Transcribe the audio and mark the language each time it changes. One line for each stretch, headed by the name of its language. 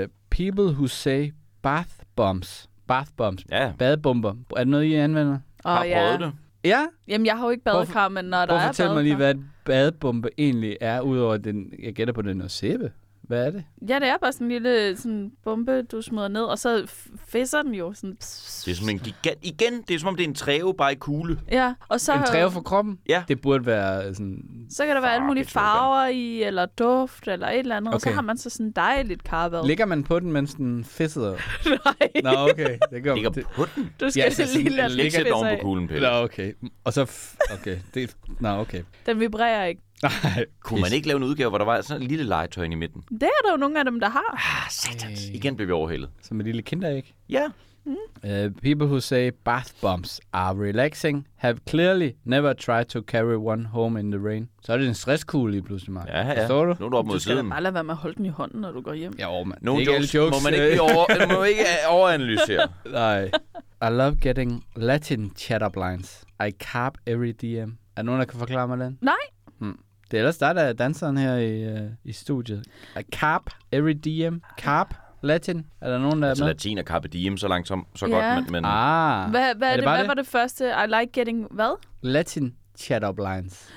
English: people who say bath bombs. Bath bombs.
Danish: Ja. Badbomber. Er det noget, I anvender? Har prøvet det. Ja? Jamen, jeg har jo ikke badekar, men når der er badekar... Fortæl mig lige, hvad et badebombe egentlig er, udover den... Jeg gætter på, den er noget sæbe. Hvad er det? Ja, det er bare sådan en lille sådan bombe, du smider ned, og så fisser den jo sådan... Det er som en gigant... Igen, det er som om, det er en træve, bare i kugle. Ja, og så... En træve for kroppen? Ja. Det burde være sådan... Så kan der være alle mulige farver i, eller duft, eller et eller andet, okay. Og så har man så sådan dejligt karbad. Ligger man på den, mens den fisser? Nej. Nå, okay. Det gør ligger det. På den? Du skal ja, sådan, lige lade den fisse af. Ligger den på kuglen, Pelle. Nå, okay. Og så... Okay. Nå, okay. Den vibrerer ikke. Nej. Kunne man ikke lave en udgave, hvor der var sådan en lille legetøj i midten? Det er der jo nogle af dem, der har. Ah, satans. Igen blev vi overhældet. Som et lille kinderæg? Ja.
English: People who say bath bombs are relaxing have clearly never tried to carry one home in the rain.
Danish: Så er det en stresskugle lige pludselig, Mark. Ja. Forstår du? Nu er du op mod siden. Du skal bare lade være med at holde den i hånden, når du går hjem. Ja, man. Nogle jokes må man ikke overanalysere. Nej.
English: I love getting Latin chatter blinds. I carb every DM.
Danish: Er nogen, der kan forklare mig den? Nej. Det er ellers der danseren her i studiet. A carp, every DM, carp. Latin? Er der nogen, der altså, er med? Latin og Carpe Diem, så langt som, så godt. Men... Ah. Hvad var det første? I like getting... Hvad?
English: Latin chat up lines.